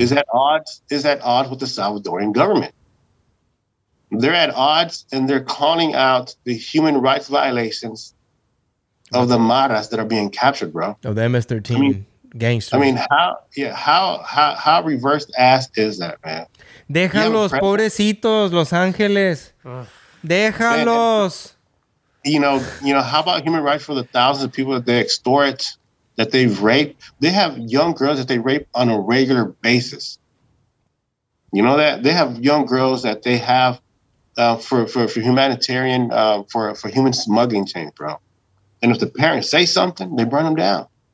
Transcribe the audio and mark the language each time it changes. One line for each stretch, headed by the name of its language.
English: is at odds with the Salvadorian government. They're at odds, and they're calling out the human rights violations of the maras that are being captured, bro. Of the MS-13. Gangsters. I mean, how reversed ass is that, man?
Spanish: Deja los pobrecitos, Los Angeles. Déjalos.
English: You know, how about human rights for the thousands of people that they extort, that they've raped? They have young girls that they rape on a regular basis. You know that? They have young girls that they have for humanitarian, for human smuggling chains, bro. And if the parents say something, they burn them down.